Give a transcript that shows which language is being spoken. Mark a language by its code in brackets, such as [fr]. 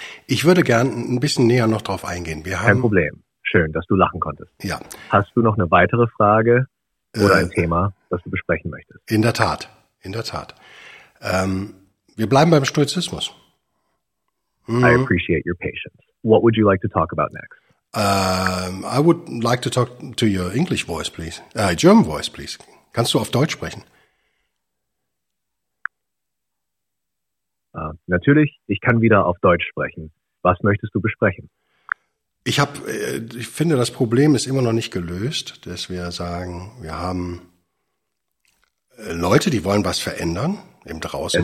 [de] Ich würde gern ein bisschen näher noch drauf eingehen. Kein Problem. Schön, dass du lachen konntest. Ja. Hast du noch eine weitere Frage oder ein Thema, das du besprechen möchtest? In der Tat. Wir bleiben beim Stoizismus. [en] I appreciate your patience. What would you like to talk about next? I would like to talk to your English voice, please. German voice, please. [de] Kannst du auf Deutsch sprechen? Natürlich, ich kann wieder auf Deutsch sprechen. Was möchtest du besprechen? Ich finde, das Problem ist immer noch nicht gelöst, dass wir sagen, wir haben Leute, die wollen was verändern, eben draußen.